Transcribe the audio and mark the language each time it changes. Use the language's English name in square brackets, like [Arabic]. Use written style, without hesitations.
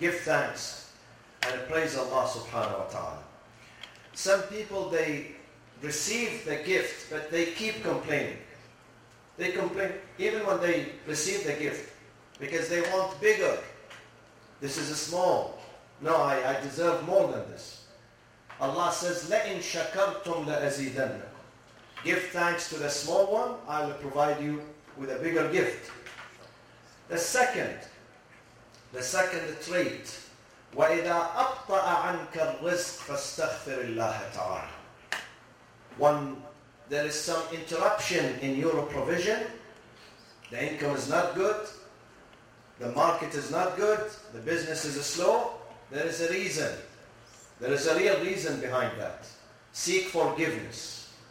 [English] Give thanks and praise Allah subhanahu wa ta'ala. Some people, they receive the gift, but they keep complaining. They complain even when they receive the gift, because they want bigger. This is a small. No, I deserve more than this. Allah says, [Arabic] لَإِن شَكَرْتُمْ لَأَزِيدَنَّكُمْ. [English] Give thanks to the small one, I will provide you with a bigger gift. The second trait, [Arabic] وَإِذَا أَبْطَأَ عَنْكَ الرِّزْقِ فَاسْتَغْفِرِ اللَّهَ تَعَالَى. [English] When there is some interruption in your provision, the income is not good, the market is not good, the business is slow, there is a reason. There is a real reason behind that. Seek forgiveness.